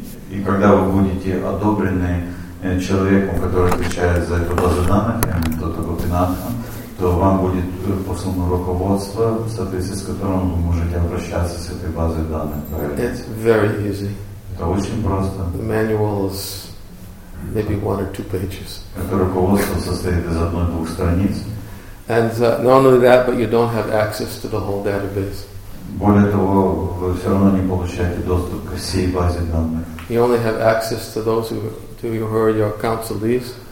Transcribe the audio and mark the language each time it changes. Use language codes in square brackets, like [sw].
[ru] И когда вы будете одобрены человеком, который отвечает за эту базу данных, тот Гопинатх, то вам будет послано руководство, в соответствии с которым вы можете обращаться с этой базой данных. [en] It's very easy. [ru] Это очень просто. [en] The manual is maybe one or two pages. [ru] Это руководство состоит из одной-двух страниц. [en] And not only that, but you don't have access to the whole database. [ru] Более того, вы все равно не получаете доступ к всей базе данных. [en] You only have access to those who are your counselees.